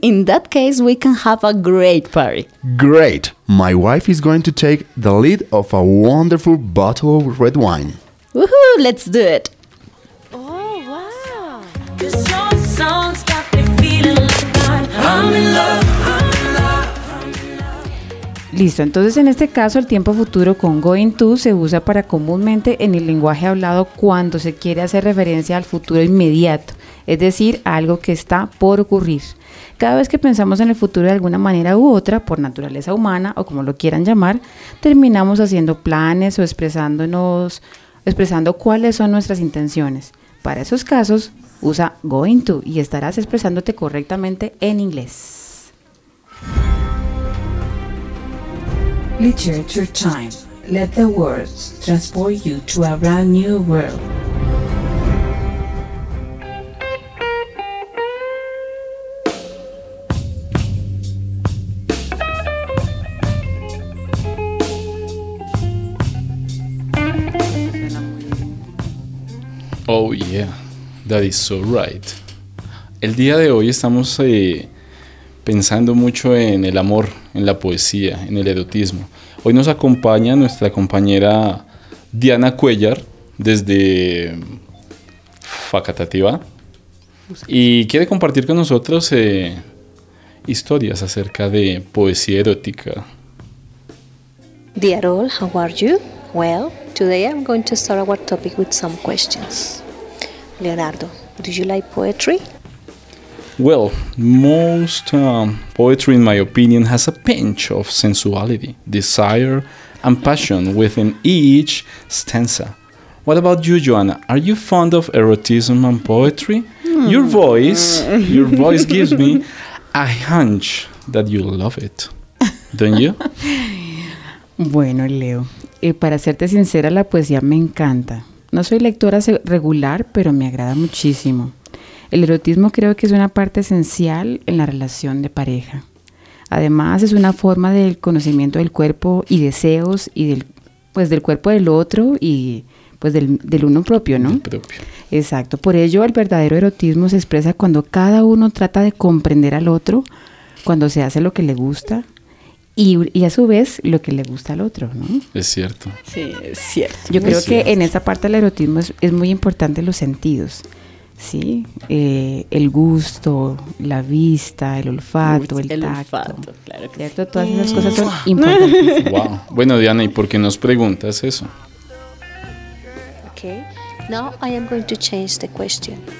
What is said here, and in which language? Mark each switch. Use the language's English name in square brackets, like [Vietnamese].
[English] In that case, we can have a great party. Great. My wife is going to take the lead of a wonderful bottle of red wine. Woohoo, let's do it. Oh, wow. 'Cause your song's got me feeling like I'm in love. [Spanish] Listo, entonces en este caso el tiempo futuro con going to se usa para comúnmente en el lenguaje hablado cuando se quiere hacer referencia al futuro inmediato, es decir, a algo que está por ocurrir. Cada vez que pensamos en el futuro de alguna manera u otra, por naturaleza humana o como lo quieran llamar, terminamos haciendo planes o expresando cuáles son nuestras intenciones. Para esos casos, usa going to y estarás expresándote correctamente en inglés. [English] Literature Time. Let the words transport you to a brand new world. Oh yeah, that is so right. [Spanish] El día de hoy estamos pensando mucho en el amor, en la poesía, en el erotismo. Hoy nos acompaña nuestra compañera Diana Cuellar desde Facatativa y quiere compartir con nosotros historias acerca de poesía erótica. [English] Dear all, how are you? Well, today I'm going to start our topic with some questions. Leonardo, do you like poetry? Well, most poetry, in my opinion, has a pinch of sensuality, desire, and passion within each stanza. What about you, Joanna? Are you fond of erotism and poetry? Mm. Your voice gives me a hunch that you love it, don't you? [Spanish] Bueno, Leo, para serte sincera, la poesía me encanta. No soy lectora regular, pero me agrada muchísimo. El erotismo creo que es una parte esencial en la relación de pareja. Además, es una forma del conocimiento del cuerpo y deseos y del cuerpo del otro y pues del uno propio, ¿no? Del propio. Exacto. Por ello, el verdadero erotismo se expresa cuando cada uno trata de comprender al otro, cuando se hace lo que le gusta y a su vez lo que le gusta al otro, ¿no? Es cierto. Sí, es cierto. Yo creo que en esa parte del erotismo es muy importante los sentidos. Sí, el gusto, la vista, el olfato, el tacto. El olfato, claro que ¿cierto? Sí. Todas esas cosas son importantes. [English] Wow. [Spanish] Bueno, Diana, ¿y por qué nos preguntas eso? [English] Okay. Now I am going to change the question.